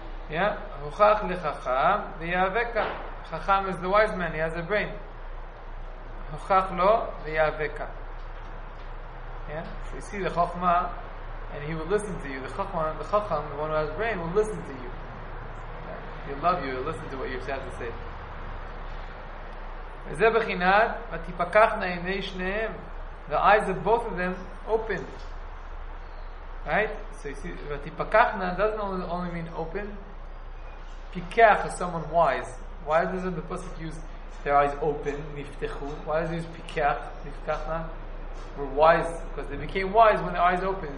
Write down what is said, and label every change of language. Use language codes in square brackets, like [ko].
[en] Yeah, [he] hochach lechacham ve'yaveka. [en] Chacham is the wise man, he has a brain. [he] Hochach lo ve'yaveka. [en] Yeah, so you see the chokhmah, and he will listen to you. The chokham, the one who has a brain, will listen to you. He'll love you, he'll listen to what you have to say. [he] וזה בחינת, ותפקח נעיני שניהם. [en] The eyes of both of them open. Right? So you see, ותפקחנה doesn't only mean open. פיקח is someone wise. Why doesn't the pasuk use their eyes open, נפתחו? Why does it use פיקח, נפתחנה? We're wise, because they became wise when their eyes open.